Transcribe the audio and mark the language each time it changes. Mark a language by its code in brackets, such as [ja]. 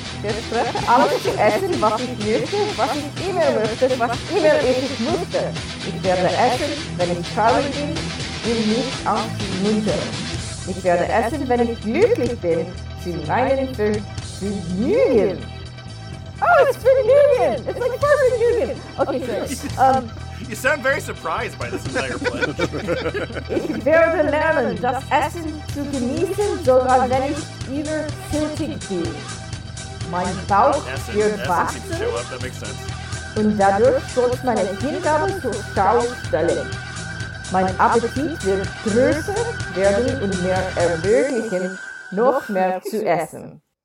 [de] Der spricht alles zu essen, was ich möchte, was ich immer möchte, was immer ich möchte. Ich werde essen, wenn ich traurig bin, will nicht auf die Mutter. Ich werde essen, wenn ich glücklich bin, zu meinen Vergnügen. [en] Oh, it's Vergnügen! It's like for Vergnügen! Okay, so, You sound very surprised by this entire pledge. [de] Ich werde lernen, das Essen zu genießen, sogar wenn ich überzüchtig bin. Mein Bauch wird wachsen, und dadurch sollst meine Hingabe zur Schau stellen. Mein Appetit wird größer werden und mir ermöglichen, noch mehr zu essen.